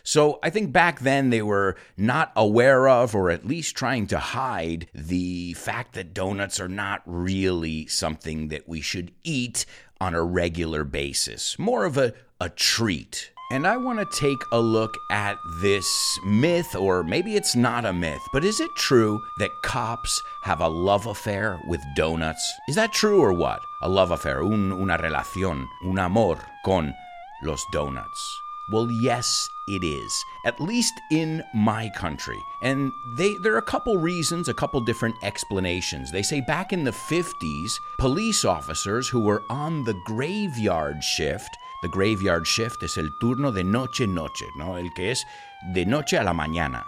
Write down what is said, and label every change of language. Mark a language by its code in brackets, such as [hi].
[en] So I think back then they were not aware of, or at least trying to hide, the fact that donuts are not really something that we should eat on a regular basis. More of a treat. And I want to take a look at this myth, or maybe it's not a myth, but is it true that cops have a love affair with donuts? Is that true or what? A love affair, [es] una relación, un amor con los donuts. [en] Well, yes, it is, at least in my country. And there are a couple reasons, a couple different explanations. They say back in the 50s, police officers who were on the graveyard shift, the graveyard shift is [es] el turno de noche, noche, no, el que es de noche a la mañana.